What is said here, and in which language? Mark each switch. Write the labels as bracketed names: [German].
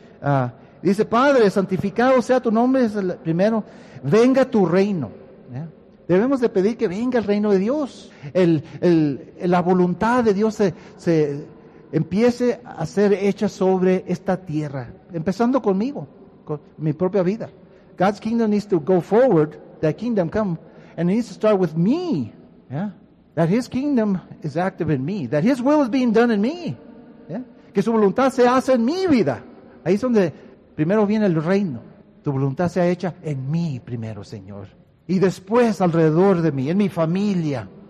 [Spanish] Dice, Padre, santificado sea tu nombre, es el primero. Venga tu reino. Debemos de pedir que venga el reino de Dios. La voluntad de Dios se empiece a ser hecha sobre esta tierra. Empezando conmigo, con mi propia vida. [English] God's kingdom needs to go forward, that kingdom come, And it needs to start with me. Yeah? That His kingdom is active in me. That His will is being done in me. Yeah? [Spanish] Que su voluntad se hace en mi vida. Ahí es donde primero viene el reino. Tu voluntad sea hecha en mí primero, Señor. Y después alrededor de mí, en mi familia.